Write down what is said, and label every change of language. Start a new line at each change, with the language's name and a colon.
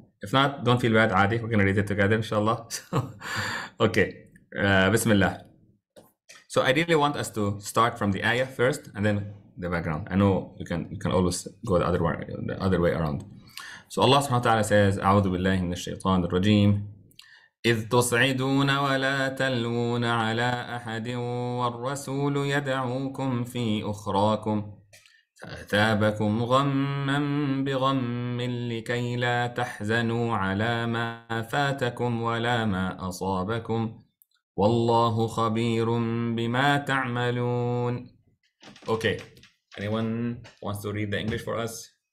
English: If not, don't feel bad, Adi. We're going to read it together, inshallah. Okay. Bismillah. So I really want us to start from the ayah first and then the background. I know you can always go the other way around. So Allah subhanahu wa ta'ala says, A'udhu billahi minash shaitanir rajim.
Arabic: إذ تصعدون ولا تلون على أحد والرسول يدعوكم في أخراكم فأثابكم غما بغم لكي لا تحزنوا على ما فاتكم ولا ما أصابكم والله خبير بما تعملون.
English: Okay, anyone wants to read the English for us?